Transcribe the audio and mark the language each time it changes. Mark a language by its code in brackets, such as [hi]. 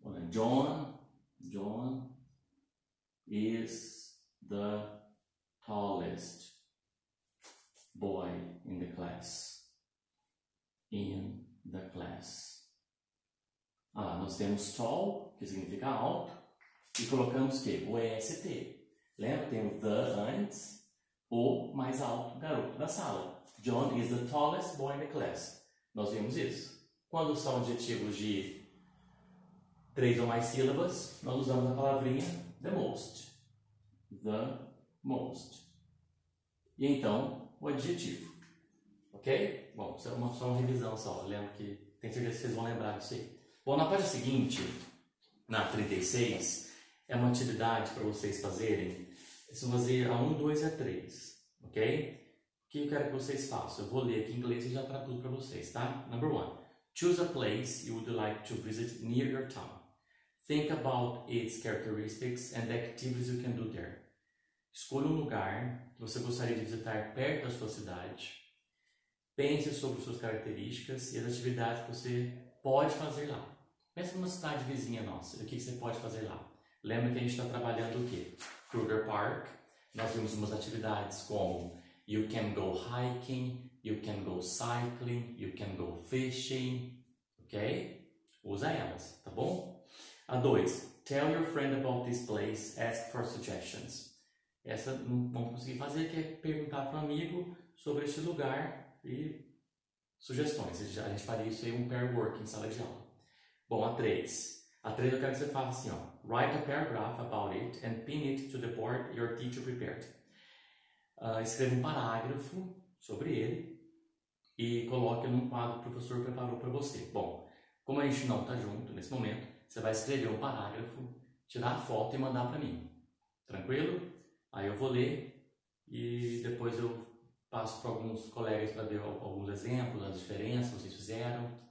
[en] John is the tallest boy in the class. In the class. [pt] Ah, nós temos tall, que significa alto, e colocamos o quê? O EST. Lembra? Temos the antes, o mais alto garoto da sala. [en] John is the tallest boy in the class. [pt] Nós vimos isso. Quando são adjetivos de três ou mais sílabas, nós usamos a palavrinha [en] the most. [pt] The most. E então, o adjetivo. Ok? Bom, só uma revisão só. Lembro que tem certeza que vocês vão lembrar disso aí. Bom, na página seguinte, na 36, é uma atividade para vocês fazerem. Vocês vão fazer a 1, 2 e a 3, ok? O que eu quero que vocês façam? Eu vou ler aqui em inglês e já traduzo para vocês, tá? [en] Number 1. Choose a place you would like to visit near your town. Think about its characteristics and the activities you can do there. [pt] Escolha um lugar que você gostaria de visitar perto da sua cidade. Pense sobre suas características e as atividades que você pode fazer lá. Pensa numa cidade vizinha nossa, o que você pode fazer lá? Lembra que a gente está trabalhando o quê? [en] Kruger Park, [pt] nós vimos umas atividades como [en] you can go hiking, you can go cycling, you can go fishing, ok? [pt] Usa elas, tá bom? A 2. [en] Tell your friend about this place, ask for suggestions. [pt] Essa não vamos conseguir fazer, que é perguntar para um amigo sobre este lugar e sugestões. A gente faria isso aí um pair work em sala de aula. Bom, a 3. A 3 eu quero que você faça assim, ó. [en] Write a paragraph about it and pin it to the board your teacher prepared. [pt] Escreva um parágrafo sobre ele e coloque num quadro que o professor preparou para você. Bom, como a gente não está junto nesse momento, você vai escrever um parágrafo, tirar a foto e mandar para mim. Tranquilo? Aí eu vou ler e depois eu passo para alguns colegas para ver alguns exemplos, as diferenças que vocês fizeram.